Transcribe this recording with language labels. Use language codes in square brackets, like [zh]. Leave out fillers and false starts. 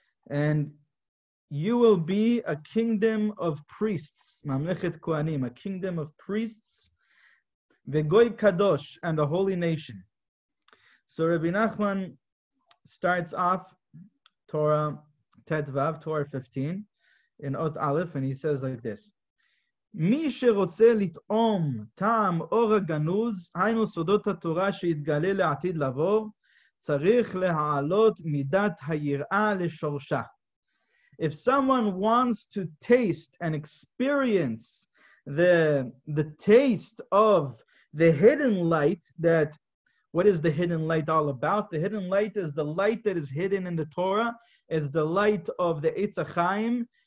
[en] And you will be a kingdom of priests, mamlechet kohanim, a kingdom of priests, v'goy kadosh, and a holy nation. So Rabbi Nachman starts off Torah Tet Vav, Torah 15, in Ot Aleph, and he says like this. [he] מי שרוצה לטעום טעם אור הגנוז, היינו סודות התורה שהתגלה לעתיד לבוא, צריך להעלות מידת היראה לשורשה. [en] If someone wants to taste and experience the taste of the hidden light, that what is the hidden light all about? The hidden light is the light that is hidden in the Torah. It's the light of the Eitz HaChaim.